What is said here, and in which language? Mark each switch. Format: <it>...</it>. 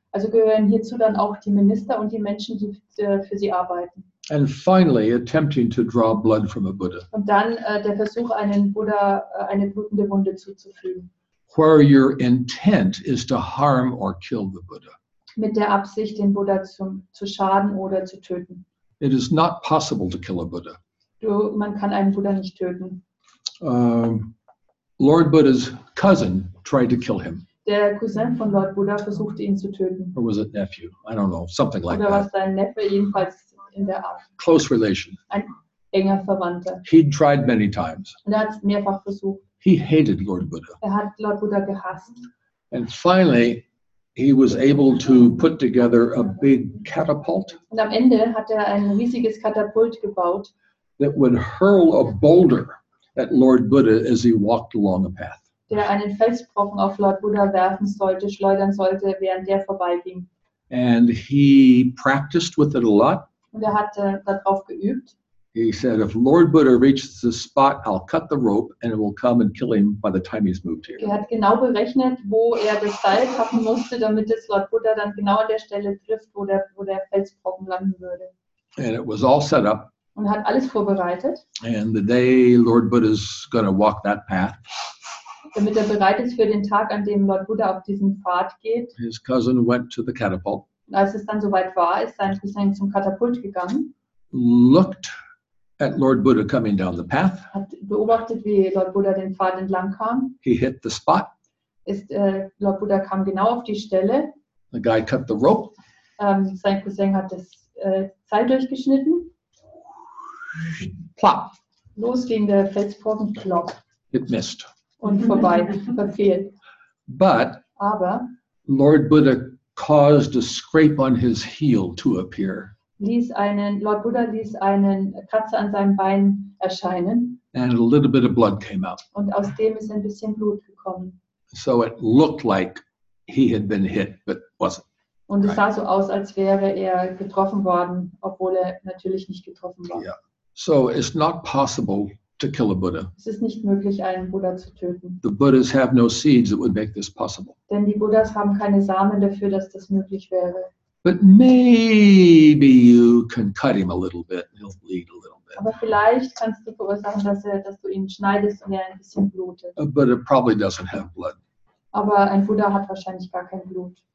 <de>Also gehören hierzu dann auch die Minister und die Menschen, die für sie arbeiten.</de> <en>And finally, attempting to draw blood from a Buddha.</en> <de>Und dann der Versuch, einen Buddha eine blutende Wunde zuzufügen.</de> <en>Where your intent is to harm or kill the Buddha.</en> <de>Mit der Absicht, den Buddha zu schaden oder zu töten.</de> <en>It is not possible to kill a Buddha.</en> <de>Man kann einen Buddha nicht töten.</de> <en>Lord Buddha's cousin tried to kill him.</en> <de>Der Cousin von Lord Buddha versuchte ihn zu töten.</de> <en>Or was it nephew? I don't know. Something like</en> <de>oder</de> <en>that.</en> <de>Oder war sein Neffe jedenfalls in der Art.</de> <en>Close relation.</en> <de>Ein enger Verwandter.</de> <en>He tried many times.</en> <de>Und er hat es mehrfach versucht.</de> <en>He hated Lord Buddha.</en> <de>Er hat Lord Buddha gehasst.</de> <en>And finally, He was able to put together a big catapult.</en> <de>Und am Ende hat ein riesiges Katapult gebaut.</de> <en>That would hurl a boulder at Lord Buddha as he walked along a path.</en> <de>Der einen Felsbrocken auf Lord Buddha werfen sollte, schleudern sollte, während der vorbeiging.</de> <en>And he practiced with it a lot.</en> <de>Und hat darauf geübt.</de> <en>He said, if Lord Buddha reaches this spot, I'll cut the rope and it will come and kill him by the time he's moved here.</en> <de>Er hat genau berechnet, wo das Seil haben musste, damit es Lord Buddha dann genau an der Stelle trifft, wo der Felsbrocken landen würde.</de> <en>And it was all set up.</en> <de>Und hat alles vorbereitet.</de> <en>And the day Lord Buddha's going to walk that path.</en> <de>Damit bereit ist für den Tag, an dem Lord Buddha auf diesen Pfad geht.</de> <en>His cousin went to the catapult.</en> <de>Und als es dann soweit war, ist sein Cousin zum Katapult gegangen.</de> <en>Looked at Lord Buddha coming down the path.</en> <de>Hat beobachtet, wie Lord Buddha den Pfad entlang kam.</de> <en>He hit the spot.</en> <de>Lord Buddha kam genau auf die Stelle.</de> <en>The guy cut the rope.</en> <de>Sein Cousin hat das Seil durchgeschnitten.</de> <en>Plop.</en> <de>Los ging der Felsbrocken, plop.</de> <en>It missed.</en> <de>Und vorbei, verfehlt.</de> <en>But</en> <de>aber</de> <en>Lord Buddha caused a scrape on his heel to appear.</en> <de>Lord Buddha ließ einen Kratzer an seinem Bein erscheinen.</de> <en>And a little bit of blood came out.</en> <de>Und aus dem ist ein bisschen Blut gekommen.</de> <en>So it looked like he had been hit, but wasn't.</en> <de>Und es sah so aus, als wäre getroffen worden, obwohl natürlich nicht getroffen war.</de> <en>Yeah. So it's not possible to kill a Buddha.</en> <de>Es ist nicht möglich, einen Buddha zu töten.</de> <en>The Buddhas have no seeds that would make this possible.</en> <de>Denn die Buddhas haben keine Samen dafür, dass das möglich wäre.</de> <en>But maybe you can cut him a little bit and he'll bleed a little bit.</en> <de>Aber vielleicht kannst du verursachen, dass du ihn schneidest und ein bisschen blutet.</de> <en>A Buddha probably doesn't have blood.</en> <de>Aber ein Buddha hat wahrscheinlich gar kein Blut.</de>